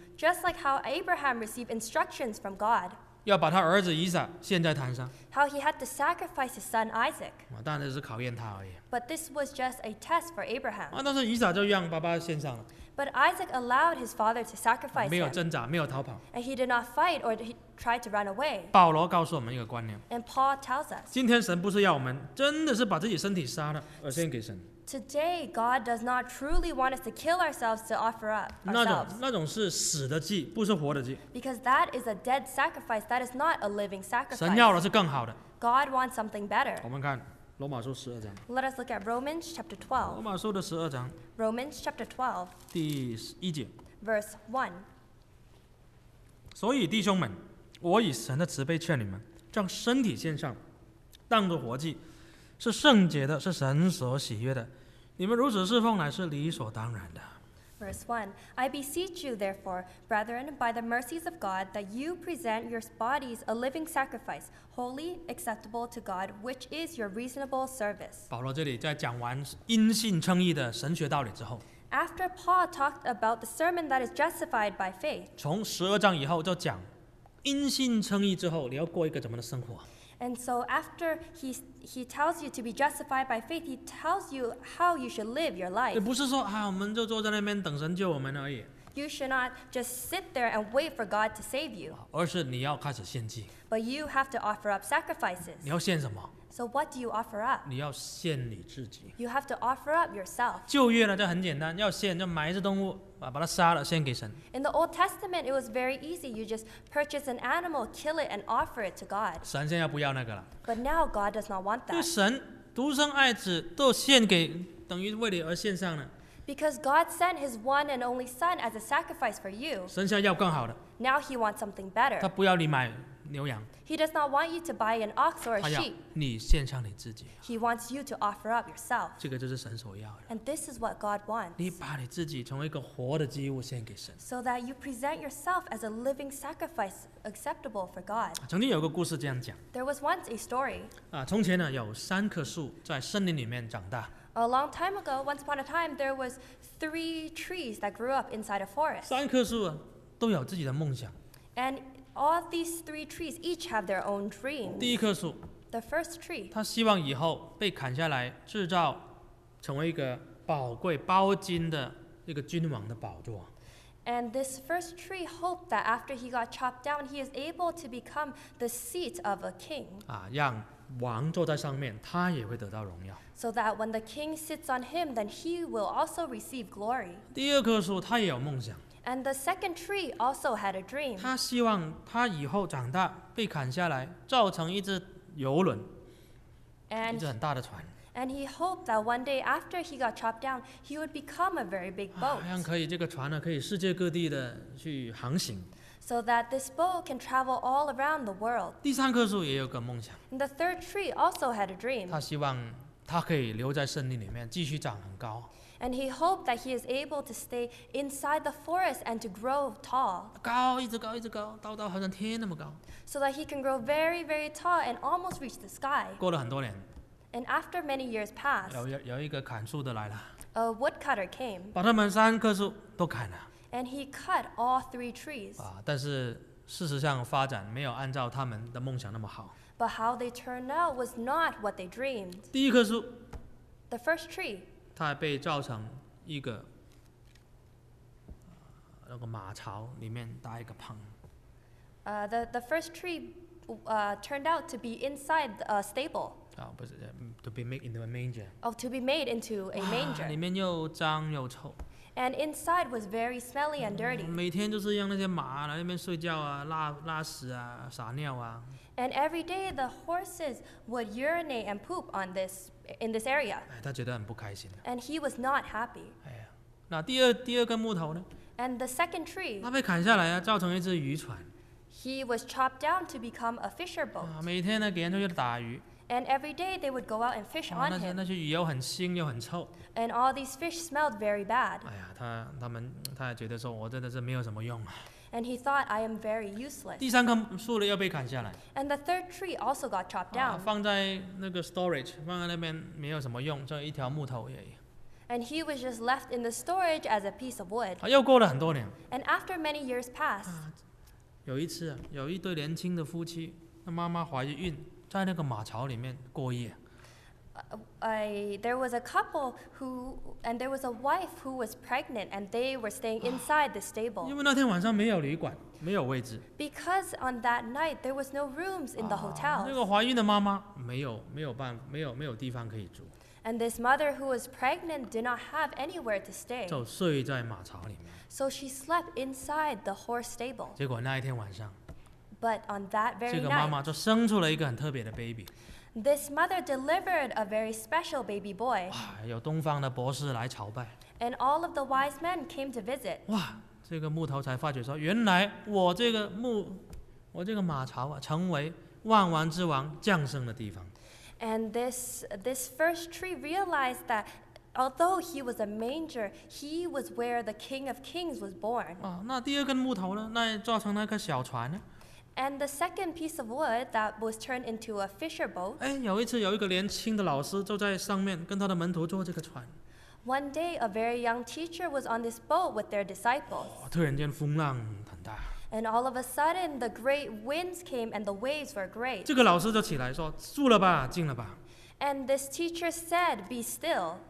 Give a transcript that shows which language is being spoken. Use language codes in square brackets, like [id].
[en] Just like how Abraham received instructions from God. [zh] 要把他儿子以撒献在坛上。 [en] How he had to sacrifice his son Isaac. [zh] 当然是考验他而已。 [en] But this was just a test for Abraham. [zh] 但是以撒就让爸爸献上了。 [en] But Isaac allowed his father to sacrifice him. [zh] 没有挣扎，没有逃跑。 [en] And he did not fight or he tried to run away. [zh] 保罗告诉我们一个观念。 [en] And Paul tells us. [zh] 今天神不是要我们真的是把自己身体杀了而献给神。 [en] Today, God does not truly want us to kill ourselves to offer up ourselves. [zh] 那种是死的祭，不是活的祭。 [en] Because that is a dead sacrifice. That is not a living sacrifice. [zh] 神要的是更好的。 [en] God wants something better. [zh] 我们看罗马书十二章。 [en] Let us look at Romans chapter 12. [zh] 罗马书的十二章。 [en] Romans chapter 12. [zh] 第一节。 [en] Verse 1. [zh] 所以弟兄们，我以神的慈悲劝你们，将身体献上，当作活祭。是圣洁的，是神所喜悦的，你们如此侍奉乃是理所当然的。 [en] Verse 1. I beseech you therefore, brethren, by the mercies of God, that you present your bodies a living sacrifice, holy, acceptable to God, which is your reasonable service. [zh] 保罗这里在讲完因信称义的神学道理之后， [en] After Paul talked about the sermon that is justified by faith, [zh] 从十二章以后就讲因信称义之后你要过一个怎么的生活。 [en] And so after he tells you to be justified by faith, he tells you how you should live your life. [zh] 不是说啊，我们就坐在那边等神救我们而已。 [en] You should not just sit there and wait for God to save you. [zh] 而是你要开始献祭。 [en] But you have to offer up sacrifices. [zh] 你要献什么？ [en] So what do you offer up? [zh] 你要献你自己。 [en] You have to offer up yourself. [zh] 旧约呢就很简单，要献就买一只动物，把它杀了献给神。 [en] In the Old Testament, it was very easy. You just purchase an animal, kill it, and offer it to God. [zh] 神现在不要那个了。 [en] But now God does not want that. [zh] 因为神独生爱子都献给，等于为你而献上了。 [en] Because God sent His one and only Son as a sacrifice for you. [zh] 神现在要更好的。 [en] Now He wants something better. [zh] 他不要你买牛羊。 [en] He does not want you to buy an ox or a sheep. [zh] 他要你献上你自己。 [en] He wants you to offer up yourself. [zh] 这个就是神所要的。 [en] And this is what God wants. [zh] 你把你自己成为一个活的祭物献给神。 [en] So that you present yourself as a living sacrifice acceptable for God. [zh] 曾经有个故事这样讲。 [en] There was once a story. [zh] 从前呢，有三棵树在森林里面长大。 [en] A long time ago, once upon a time, there was three trees that grew up inside a forest. [zh] 三棵树都有自己的梦想。 [en] And all these three trees each have their own dream. [zh] 第一棵树， [en] the first tree, [zh] 他希望以后被砍下来制造成为一个宝贵包金的一个君王的宝座。 [en] And this first tree hoped that after he got chopped down, he is able to become the seat of a king. [zh] 让王坐在上面，他也会得到荣耀。 [en] So that when the king sits on him, then he will also receive glory. [zh] 第二棵树，他也有梦想。 [en] And the second tree also had a dream. [zh] 他希望他以后长大被砍下来，造成一只游轮， [en] and, [zh] 一只很大的船。 [en] And he hoped that one day after he got chopped down, he would become a very big boat. [zh] 好像可以这个船呢，可以世界各地的去航行。 [en] So that this boat can travel all around the world. [zh] 第三棵树也有个梦想。 [en] And the third tree also had a dream. [zh] 他希望他可以留在森林里面，继续长很高。 [en] And he hoped that he is able to stay inside the forest and to grow tall. [zh] 高，一直高，一直高，到好像天那么高。 [en] So that he can grow very, very tall and almost reach the sky. [zh] 过了很多年。 [en] And after many years passed. [zh] 有一个砍树的来了。 [en] A woodcutter came. [zh] 把他们三棵树都砍了。 [en] And he cut all three trees. [zh] 啊，但是事实上发展没有按照他们的梦想那么好。 [en] But how they turned out was not what they dreamed. [zh] 第一棵树。 [en] The first tree. [zh] 它被造成一个那个马槽里面搭一个棚。 [en] The first tree, turned out to be inside a stable. [zh] 啊，不是 [en] ，to be made into a manger. Oh, to be made into a manger. [zh] 啊，里面又脏又臭。 [en] And inside was very smelly and dirty. [zh] 每天就是让那些马来那边睡觉啊，拉屎啊，撒尿啊。 [en] And every day the horses would urinate and poop on this in this area. [zh] 哎，他觉得很不开心。 [en] And he was not happy. [zh] 哎呀，那第二根木头呢 [en] ？And the second tree. [zh] 它被砍下来啊，造成一只渔船。 [en] He was chopped down to become a fisher boat. [zh] 啊，每天呢，给人出去打鱼。 [en] And every day they would go out and fish on him. [zh] 那些鱼又很腥又很臭。 [en] And all these fish smelled very bad. [zh] 哎呀，他也觉得说，我真的是没有什么用啊。 [en] And he thought I am very useless. [zh] 第三棵树呢又被砍下来。 [en] And the third tree also got chopped down. [zh] 放在那个 storage， 放在那边没有什么用，就一条木头而已。 [en] And he was just left in the storage as a piece of wood. [zh] 又过了很多年。 [en] And after many years passed. [zh] 有一次，有一对年轻的夫妻，那妈妈怀孕。在那个马槽里面过夜。 [en] There was a couple who, and there was a wife who was pregnant, and they were staying inside the stable. [zh] 因为那天晚上没有旅馆，没有位置。 [en] Because on that night there was no rooms in the hotel. [zh] 那个怀孕的妈妈没有地方可以住。 [en] And this mother who was pregnant did not have anywhere to stay. [zh] 就睡在马槽里面。 [en] So she slept inside the horse stable. [zh] 结果那一天晚上。 [en] But on that very night, [zh] 这个妈妈就生出了一个很特别的 baby. [en] This mother delivered a very special baby boy. [zh] 哇，有东方的博士来朝拜。 [en] And all of the wise men came to visit. [zh] 哇，这个木头才发觉说，原来我这个马槽啊，成为万王之王降生的地方。 [en] And this first tree realized that although he was a manger, he was where the King of Kings was born. [zh] 啊，那第二根木头呢？那造成那个小船呢？ [en] And the second piece of wood that was turned into a fisher boat. [zh] 哎，有一次有一个年轻的老师坐在上面，跟他的门徒坐这个船。 [en] One day, a very young teacher was on this boat with their disciples. [zh] 哦，突然间风浪很大。 [en] And all of a sudden, the great winds came and the waves were great. [zh] 这个老师就起来说：“住了吧，静了吧。” [en] And this teacher said, "Be still."